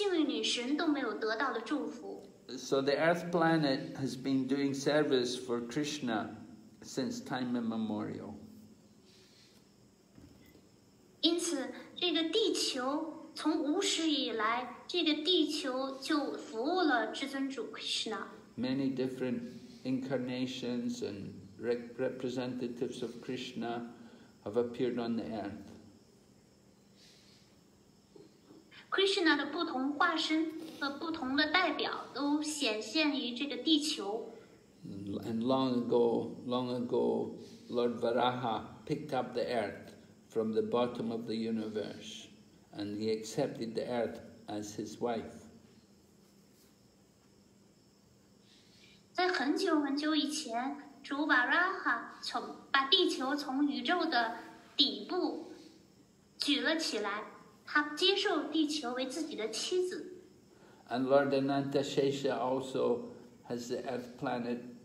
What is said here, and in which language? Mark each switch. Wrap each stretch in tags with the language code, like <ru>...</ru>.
<zh>除此之外，最为重要的是，您用您强有力的臂膀拥抱了勾皮们，而这一种好运是甚至幸运女神都没有得到的祝福。</zh> <en>So the earth planet has been doing service for Krishna since time immemorial.</en> <zh>因此，这个地球从无始以来，这个地球就服务了至尊主 Krishna.</zh> <en>Many different incarnations and representatives of Krishna have appeared on the earth.</en> <zh>Krishna 的不同化身和不同的代表都显现于这个地球。</zh> <en>And long ago, Lord Varaha picked up the earth from the bottom of the universe, and he accepted the earth as his wife.</en> <zh>在很久很久以前，主瓦拉哈从把地球从宇宙的底部举了起来，他接受地球为自己的妻子。</zh> <en>And Lord Ananta Shesha also has the earth planet.</en>